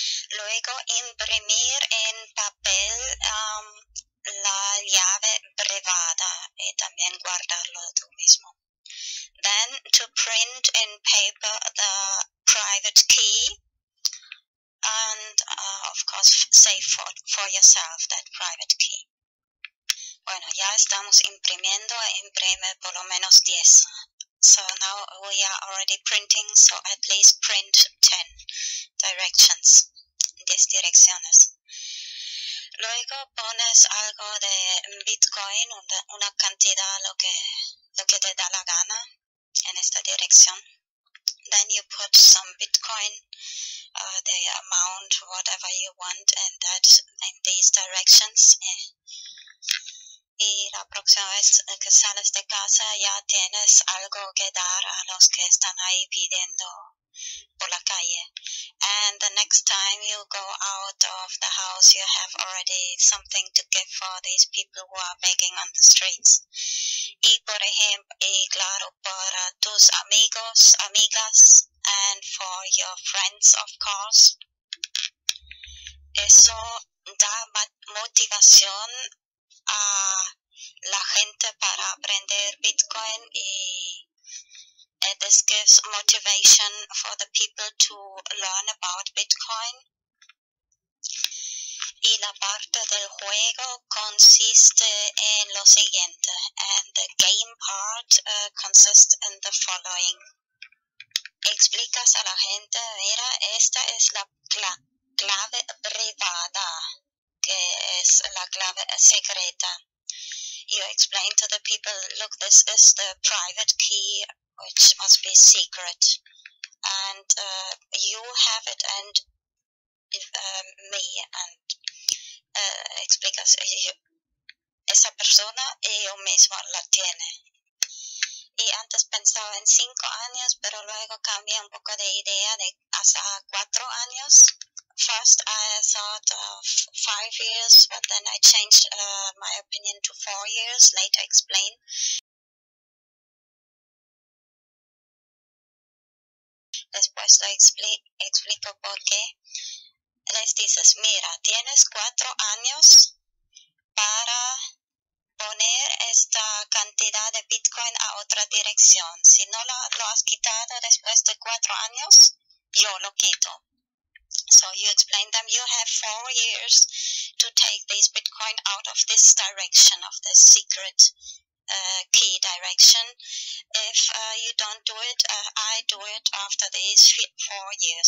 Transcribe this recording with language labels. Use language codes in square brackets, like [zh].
[es] Luego, imprimir en papel la llave privada y también guardarlo tú mismo. [en] Then, to print in paper the private key and, of course, save for yourself that private key. [es] Bueno, ya estamos imprimiendo, imprime por lo menos 10. [en] So now we are already printing, so at least print 10 directions, [es] 10 direcciones. Luego pones algo de Bitcoin, una cantidad, lo que te da la gana en esta dirección. [en] Then you put some Bitcoin, the amount, whatever you want, and that in these directions. [es] Y la próxima vez que sales de casa ya tienes algo que dar a los que están ahí pidiendo por la calle. [en] And the next time you go out of the house, you have already something to give for these people who are begging on the streets. [es] Y por ejemplo, y claro, para tus amigos, amigas, [en] and for your friends, of course. [es] Eso da motivación a la gente para aprender Bitcoin y [en] this gives motivation for the people to learn about Bitcoin. [es] Y la parte del juego consiste en lo siguiente. [en] And the game part consists in the following. [es] Explicas a la gente, mira, esta es la clave privada, que es la clave secreta. [en] You explain to the people, look, this is the private key, which must be secret. And you have it and me. [es] And explicas, esa persona y yo mismo la tiene. Y antes pensaba en 5 años, pero luego cambié un poco de idea de hasta 4 años. [en] First, I thought of 5 years, but then I changed my opinion to 4 years, later explain. [es] Después lo explico por qué. Les dices, mira, tienes 4 años para poner esta cantidad de Bitcoin a otra dirección. Si no lo has quitado después de 4 años, yo lo quito. [en] So you explain them, you have 4 years to take this Bitcoin out of this direction, of this secret key direction. If you don't do it, I do it after these 4 years.